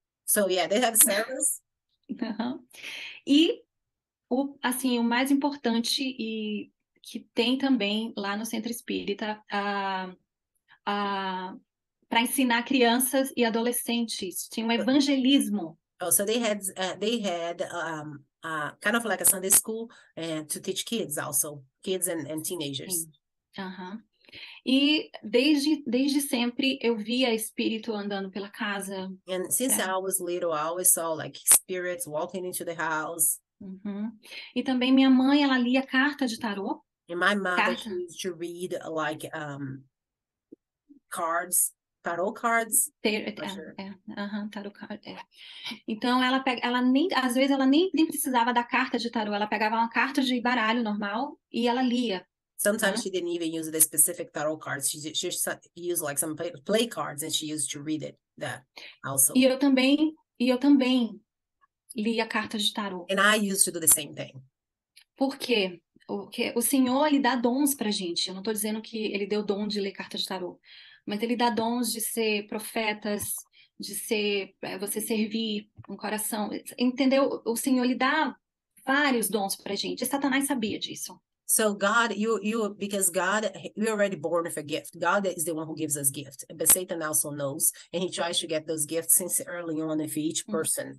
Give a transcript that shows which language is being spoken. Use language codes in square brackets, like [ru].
[en] So yeah, they have service. [pt] E, assim, o mais importante e que tem também lá no centro espírita, para ensinar crianças e adolescentes, tinha um evangelismo. [en] Oh, so they had kind of like a Sunday school to teach kids also, kids and teenagers. [pt] Sim. E desde sempre eu via espírito andando pela casa, [en] And since I [pt] certo? [en] was little, I always saw like spirits walking into the house. [pt] E também minha mãe, ela lia carta de tarô. [en] And my mother, she [pt] Carta. [en] used to read like cards, tarot cards, for sure. [pt] Tarô card, Então ela pega, ela nem às vezes ela nem precisava da carta de tarô, ela pegava uma carta de baralho normal e ela lia. [en] Sometimes she didn't even use the specific tarot cards. She used like some play cards and she used to read it that also. [pt] E eu também li a carta de tarô. [en] And I used to do the same thing. [pt] Por quê? Porque o Senhor, ele dá dons pra gente. Eu não tô dizendo que ele deu dom de ler carta de tarô, mas ele dá dons de ser profetas, de ser você servir com um coração, entendeu? O Senhor, ele dá vários dons pra gente. E Satanás sabia disso. [en] So God, because God, we're already born with a gift. God is the one who gives us gifts. But Satan also knows, and he tries to get those gifts since early on of each person.